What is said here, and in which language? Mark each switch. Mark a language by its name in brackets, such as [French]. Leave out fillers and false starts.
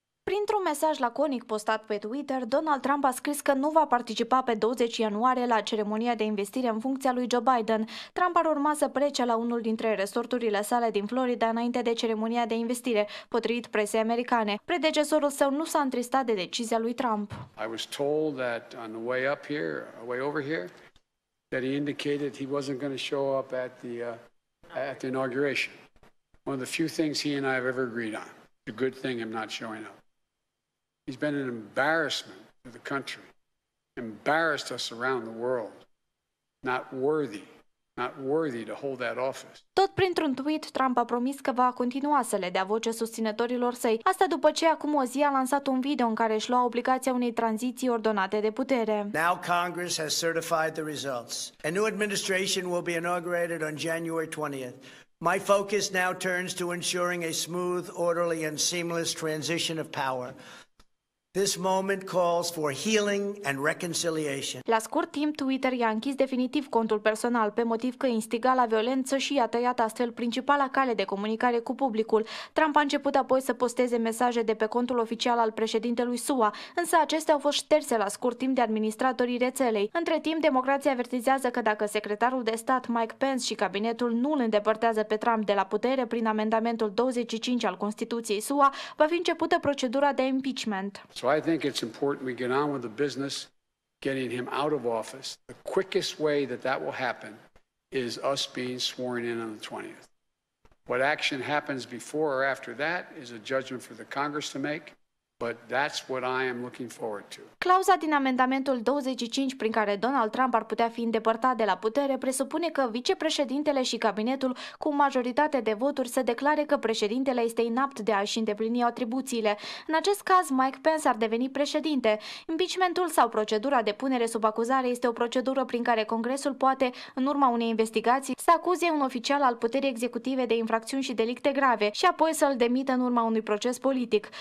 [Romanian] Printr-un mesaj laconic postat pe Twitter, Donald Trump a scris că nu va participa pe 20 ianuarie la ceremonia de investire în funcția lui Joe Biden. Trump ar urma să plece la unul dintre resorturile sale din Florida înainte de ceremonia de investire, potrivit presei americane. Predecesorul său nu s-a întristat de decizia lui Trump. [English] I was told that on the way up here, way over here, that he indicated he wasn't going to show up at the inauguration. One of the few things he and I have ever agreed on. The good thing I'm not showing up. He's been an embarrassment to the country, embarrassed us around the world, not worthy to hold that office. [Romanian] Tot printr-un tweet, Trump a promis că va continua să le dea voce susținătorilor săi. Asta după ce acum o zi a lansat un video în care își lua obligația unei tranziții ordonate de putere. [English] Now Congress has certified the results. A new administration will be inaugurated on January 20th. My focus now turns to ensuring a smooth, orderly and seamless transition of power. This moment calls for healing and reconciliation. [Romanian] La scurt timp, Twitter i-a închis definitiv contul personal pe motiv că instiga la violență și i-a tăiat astfel principala cale de comunicare cu publicul. Trump a început apoi să posteze mesaje de pe contul oficial al președintelui SUA, însă acestea au fost șterse la scurt timp de administratorii rețelei. Între timp, democrații avertizează că dacă secretarul de stat Mike Pence și cabinetul nu îl îndepărtează pe Trump de la putere prin amendamentul 25 al Constituției SUA, va fi începută procedura de impeachment. [English] So I think it's important we get on with the business getting him out of office. The quickest way that that will happen is us being sworn in on the 20th. What action happens before or after that is a judgment for the Congress to make. But that's what I am looking forward to. [Romanian] Clauza din amendamentul 25 prin care Donald Trump ar putea fi îndepărtat de la putere presupune că vicepreședintele și cabinetul cu majoritate de voturi să declare că președintele este inapt de a-și îndeplini atribuțiile. În acest caz, Mike Pence ar deveni președinte. Impeachmentul sau procedura de punere sub acuzare este o procedură prin care Congresul poate, în urma unei investigații, să acuze un oficial al puterii executive de infracțiuni și delicte grave și apoi să-l demită în urma unui proces politic.